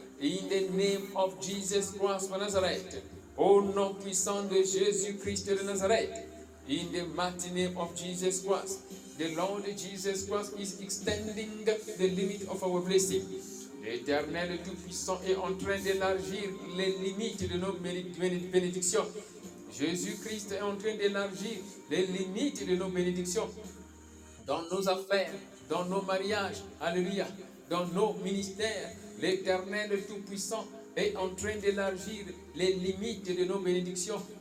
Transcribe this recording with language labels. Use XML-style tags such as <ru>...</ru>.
<en>In the name of Jesus Christ of Nazareth.</en> <fr>Au nom puissant de Jésus-Christ de Nazareth.</fr> <en>In the mighty name of Jesus Christ. The Lord Jesus Christ is extending the limit of our blessing.</en> <fr>L'Éternel Tout-Puissant est en train d'élargir les limites de nos bénédictions. Jésus-Christ est en train d'élargir les limites de nos bénédictions. Dans nos affaires, dans nos mariages, alléluia, dans nos ministères, l'Éternel Tout-Puissant est en train d'élargir les limites de nos bénédictions.</fr>